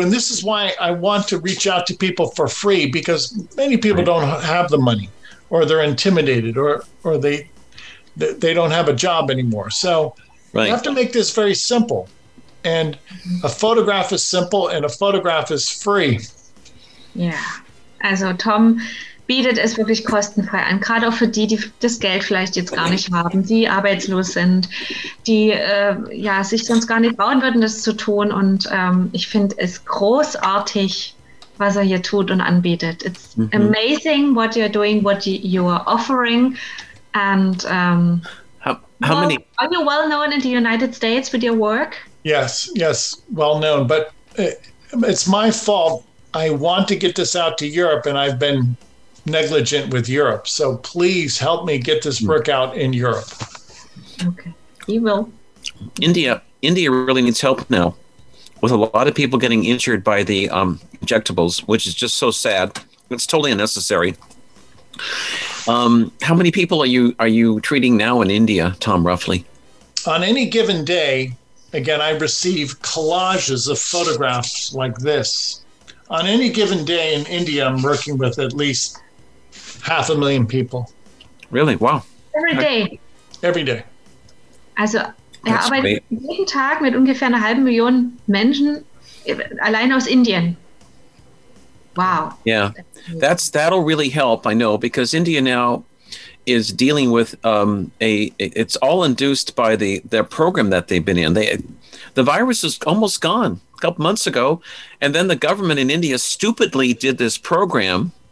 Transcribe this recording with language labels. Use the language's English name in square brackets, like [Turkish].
[English] And this is why I want to reach out to people for free, because many people don't have the money, or they're intimidated, or they don't have a job anymore. So you have to make this very simple. And a photograph is simple, and a photograph is free. Yeah. [German] Also Tom bietet es wirklich kostenfrei an, gerade auch für die, die das Geld vielleicht jetzt gar nicht haben, die arbeitslos sind, die sich sonst gar nicht trauen würden, das zu tun. Und ich finde es großartig, was er hier tut und anbietet. [English] It's amazing what you're doing, what you are offering. And are you well known in the United States with your work? Yes, well known. But it's my fault. I want to get this out to Europe, and I've been negligent with Europe. So please help me get this work out in Europe. Okay, he will. India really needs help now, with a lot of people getting injured by the injectables, which is just so sad. It's totally unnecessary. How many people are you treating now in India, Tom, roughly? On any given day, again, I receive collages of photographs like this. On any given day in India, I'm working with at least 500,000 people. Really? Wow. Every day. [German] Also, [English] That's [German] arbeitet [English] great. [German] Jeden Tag mit ungefähr 500,000 Menschen allein aus Indien. [English] Wow. Yeah. That'll really help, I know, because India now is dealing with it's all induced by their program that they've been in. The virus is almost gone a couple months ago, and then the government in India stupidly did this program.